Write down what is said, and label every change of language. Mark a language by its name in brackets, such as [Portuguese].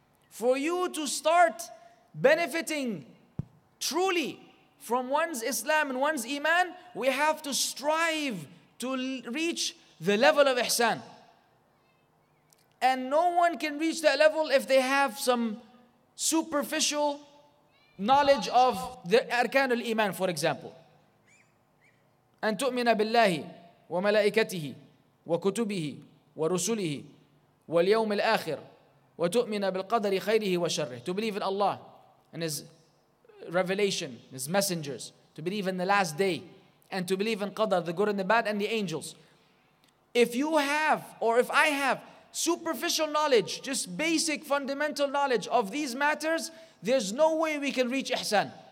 [English] For you to start benefiting truly from one's Islam and one's iman, we have to strive to reach the level of ihsan. And no one can reach that level if they have some superficial knowledge of the arkan al-iman, for example. [Arabic] أن تؤمن بالله وملائكته وكتبه ورسله واليوم الآخر وتؤمن بالقدر خيره وشره. [English] To believe in Allah and His revelation, His messengers. To believe in the last day and to believe in Qadr, the good and the bad, and the angels. If you have, or if I have, superficial knowledge, just basic fundamental knowledge of these matters, there's no way we can reach Ihsan.